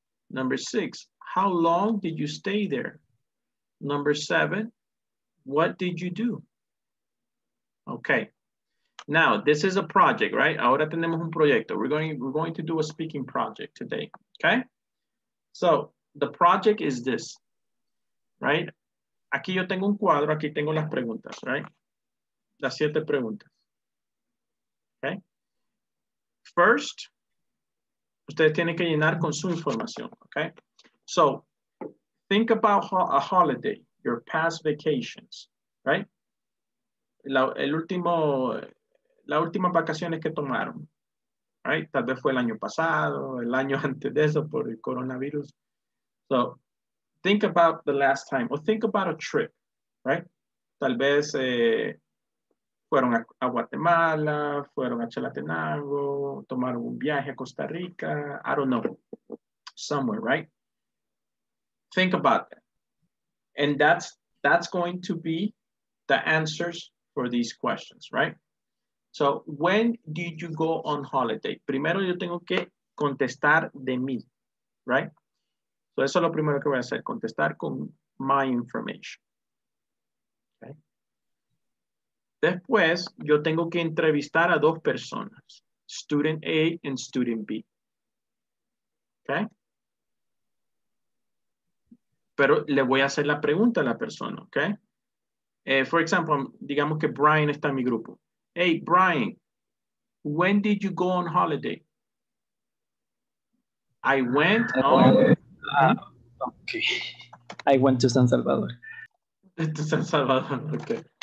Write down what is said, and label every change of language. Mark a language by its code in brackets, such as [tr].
[en] Number six, how long did you stay there? Number seven, what did you do? Okay. Now, this is a project, right? [es] Ahora tenemos un proyecto. [en] We're going to do a speaking project today, okay? So, the project is this, right? [es] Aquí yo tengo un cuadro, aquí tengo las preguntas, right? Las siete preguntas, okay? First, ustedes tienen que llenar con su información, okay? [en] So, think about a holiday, your past vacations, right? [es] La última vacaciones que tomaron, right? Tal vez fue el año pasado, el año antes de eso por el coronavirus. [en] So, think about the last time, or think about a trip, right? [es] Tal vez fueron a Guatemala, fueron a Chalatenango, tomaron un viaje a Costa Rica, [en] I don't know, somewhere, right? Think about that. And that's going to be the answers for these questions, right? So when did you go on holiday? [es] Primero yo tengo que contestar de mí, [en] right? [es] So eso es lo primero que voy a hacer, contestar con [en] my information. [es] Okay. Después yo tengo que entrevistar a dos personas, [en] student A and student B. [es] Okay? Pero le voy a hacer la pregunta a la persona, ¿ok? [en] For example, [es] digamos que Brian está en mi grupo. [en] Hey, Brian, when did you go on holiday? I went on... Okay. I went to San Salvador. To San Salvador, okay.